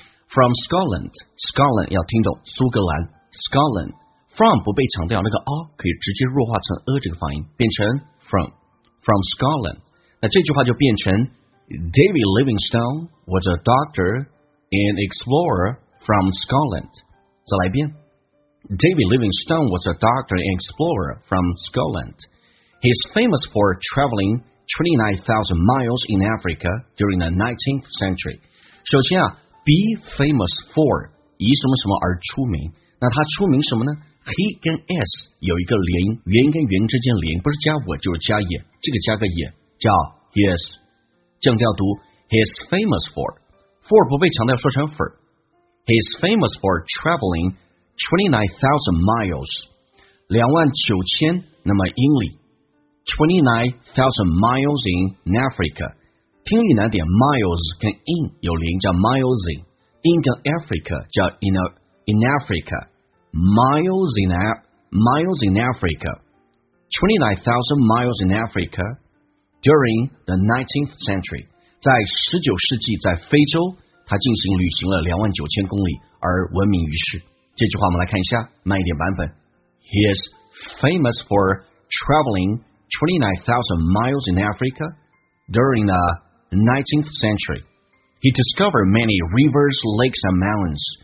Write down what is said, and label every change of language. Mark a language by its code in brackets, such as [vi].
[en] from Scotland [zh] 要听懂苏格兰 Scotland， from 不被强调，那个 r 可以直接弱化成 a 这个发音，变成 from Scotland。那这句话就变成 [en] David Livingstone was a doctorAn explorer from Scotland. [zh] 再来一遍。 [en] David Livingstone was a doctor and explorer from Scotland. He's famous for traveling 29,000 miles in Africa during the 19th century. [zh] 首先啊， [en] be famous for [zh] 以什么什么而出名，那他出名什么呢？ He 跟 s 有一个连，原跟原之间连，不是加我就是加也，这个加个也叫 yes， 降调读 [en] He's famous forFor [zh] 不被强调说成 for。 [en] He is famous for traveling 29,000 miles 29,000 [zh] 那么英里 [en] 29,000 miles in Africa。 [zh] 听力难点， [en] miles 跟 in 有连叫 miles in， in 跟 Africa 叫 in Africa， miles in Africa 29,000 miles in Africa during the 19th century， [zh] 在19世纪在非洲他进行旅行了29,000公里而闻名于世。这句话我们来看一下慢一点版本。 [en] He is famous for traveling 29,000 miles in Africa during the 19th century. He discovered many rivers, lakes and mountains.